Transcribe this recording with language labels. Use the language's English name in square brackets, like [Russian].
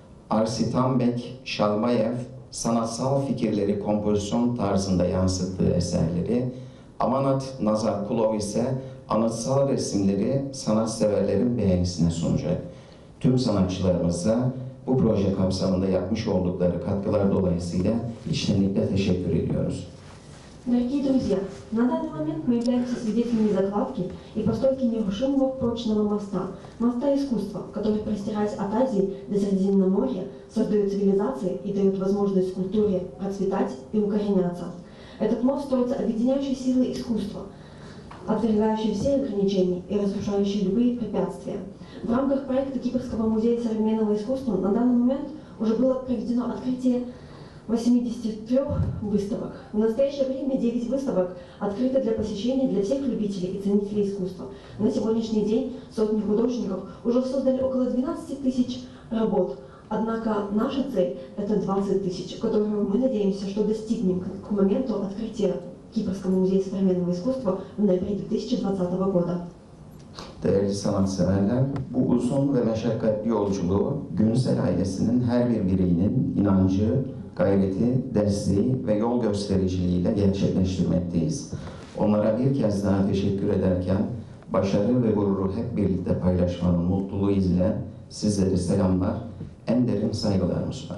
[Turkish] Arsitambek Şalmayev sanatsal fikirleri kompozisyon tarzında yansıttığı eserleri, Amanat Nazarkulov ise anıtsal resimleri sanatseverlerin beğenisine sunacak. Tüm sanatçılarımıza bu proje kapsamında yapmış oldukları katkılar dolayısıyla içtenlikle teşekkür ediyoruz. [Russian] Дорогие друзья, на данный момент мы являемся свидетелями закладки и постройки нерушимого прочного моста. Моста искусства, который, простираясь от Азии до Средиземноморья, создает цивилизации и дает возможность культуре процветать и укореняться. Этот мост строится объединяющей силой искусства, отвергающей все ограничения и разрушающей любые препятствия. В рамках проекта Кипрского музея современного искусства на данный момент уже было проведено открытие 83 выставок. В настоящее время 9 выставок открыты для посещения для всех любителей и ценителей искусства. На сегодняшний день сотни художников уже создали около 12 тысяч работ. Однако наша цель – это 20 тысяч, которую мы надеемся, что достигнем к моменту открытия Кипрского музея современного искусства в ноябре 2020 года. [Turkish] Değerli sanatseverler, bu uzun ve meşakkatli yolculuğu Günsel ailesinin her bir bireyinin inancı, gayreti, desteği ve yol göstericiliğiyle gerçekleştirmekteyiz. Onlara bir kez daha teşekkür ederken, başarı ve gururu hep birlikte paylaşmanın mutluluğu ile sizlere selamlar, en derin saygılarımı